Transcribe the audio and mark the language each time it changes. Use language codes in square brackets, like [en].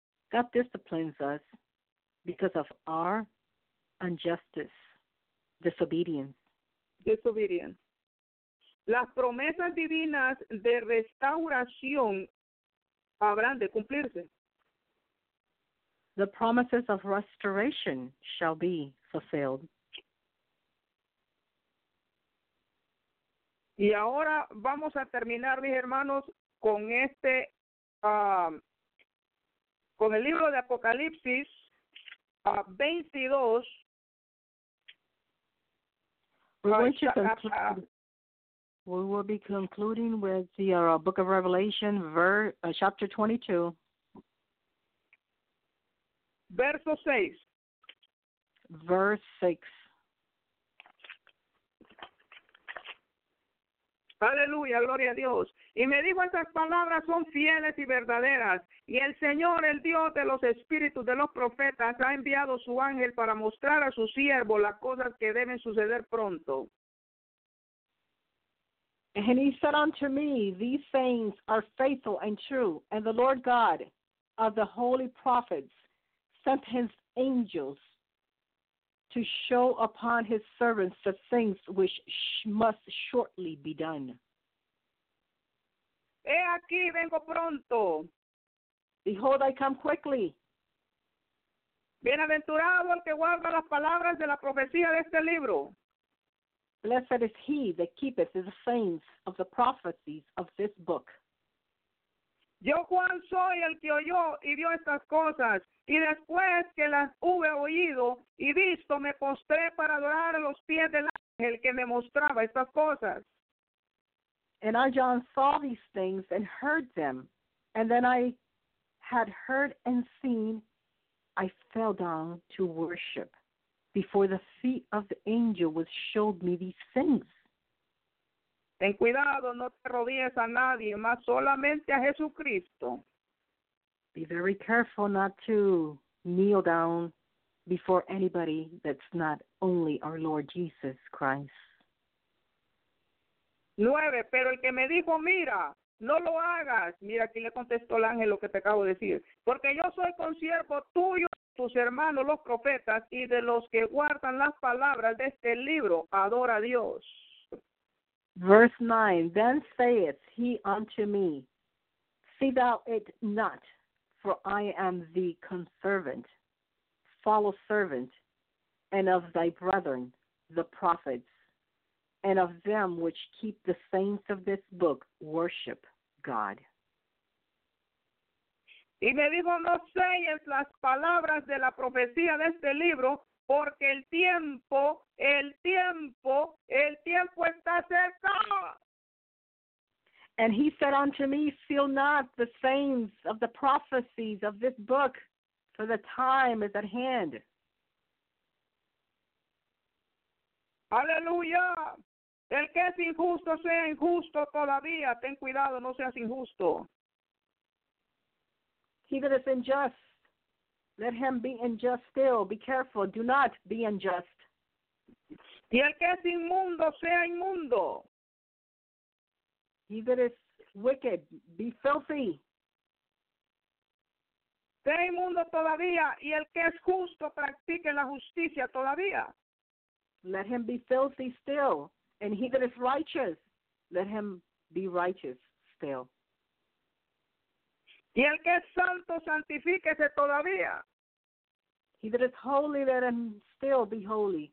[en] God disciplines us because of our injustice, disobedience. Disobedience. [es] Las promesas divinas de restauración habrán de cumplirse. [en] The promises of restoration shall be fulfilled. [es] Y ahora vamos a terminar, mis hermanos, con este, con el libro de Apocalipsis 22. [en] We will be concluding with the Book of Revelation, chapter 22. [es] Verso 6. [en] Verse 6. [es] Aleluya, gloria a Dios. Y me dijo, estas palabras son fieles y verdaderas. Y el Señor, el Dios de los espíritus de los profetas, ha enviado su ángel para mostrar a su siervo las cosas que deben suceder pronto. [en] And he said unto me, these things are faithful and true. And the Lord God of the holy prophets sent his angels to show upon his servants the things which must shortly be done. [es] He aquí, vengo pronto. [en] Behold, I come quickly. [es] Bienaventurado el que guarda las palabras de la profecía de este libro. [en] Blessed is he that keepeth the sayings of the prophecies of this book. [es] Yo, Juan, soy el que oyó y vio estas cosas, y después que las hube oído y visto, me postré para adorar a los pies del ángel que me mostraba estas cosas. [en] And I, John, saw these things and heard them, and then I had heard and seen, I fell down to worship before the feet of the angel which showed me these things. [es] Ten cuidado, no te rodees a nadie, más solamente a Jesucristo. [en] Be very careful not to kneel down before anybody that's not only our Lord Jesus Christ. [es] 9, pero el que me dijo, mira, no lo hagas. Mira, aquí le contestó el ángel lo que te acabo de decir. Porque yo soy consiervo tuyo, tus hermanos, los profetas, y de los que guardan las palabras de este libro, adora a Dios. [en] Verse 9, then saith he unto me, see thou it not, for I am the conservant, follow servant, and of thy brethren, the prophets, and of them which keep the sayings of this book, worship God. [es] Y me dijo, no selles las palabras de la profecía de este libro, porque el tiempo está cerca. [en] And he said unto me, seal not the sayings of the prophecies of this book, for the time is at hand. [es] Aleluya. El que es injusto sea injusto todavía. Ten cuidado, no seas injusto. [en] He that is unjust, let him be unjust still. Be careful, do not be unjust. [es] Y el que es inmundo sea inmundo. [en] He that is wicked, be filthy. [es] Sea inmundo todavía, y el que es justo practique la justicia todavía. [en] Let him be filthy still. And he that is righteous, let him be righteous still. [es] Y el que es santo, santifíquese todavía. [en] He that is holy, let him still be holy.